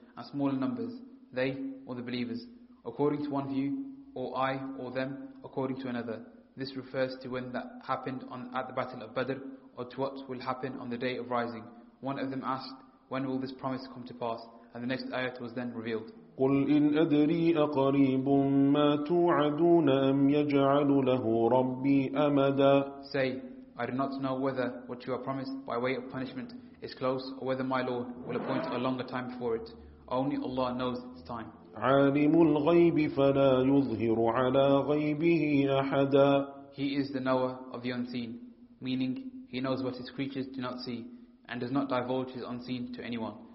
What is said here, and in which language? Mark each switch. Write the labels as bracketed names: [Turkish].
[English] and smaller numbers, they or the believers, according to one view, or I or them, according to another. This refers to when that happened at the Battle of Badr, or to what will happen on the Day of Rising. One of them asked, when will this promise come to pass? And the next ayat was then revealed. [Arabic] قُلْ إِنْ أَدْرِي أَقَرِيبٌ مَا تُوعَدُونَ أَمْ يَجْعَلُ لَهُ رَبِّي أَمَدًا. [English] Say, I do not know whether what you are promised by way of punishment is close, or whether my Lord will appoint a longer time for it. Only Allah knows its time. [Arabic] عَالِمُ الْغَيْبِ فَلَا يُظْهِرُ عَلَى غَيْبِهِ أَحَدًا. [English] He is the knower of the unseen, meaning he knows what his creatures do not see, and does not divulge his unseen to anyone.